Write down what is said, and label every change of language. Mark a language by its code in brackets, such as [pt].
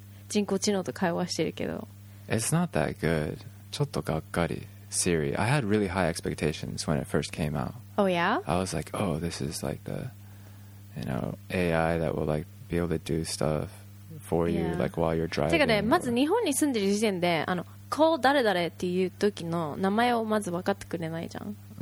[ja] 人工知能と会話してるけど、 [en] It's not that good. [ja] ちょっとがっかり。 [en] Siri, I had really high expectations when it first came out. Oh yeah? I was like, oh, this is like the, you know, AI that will like be able to do stuff for you, like while you're driving. [ja] てかね、まず日本に住んでる時点で、あの、call 誰々っていう時の名前をまず分かってくれないじゃん。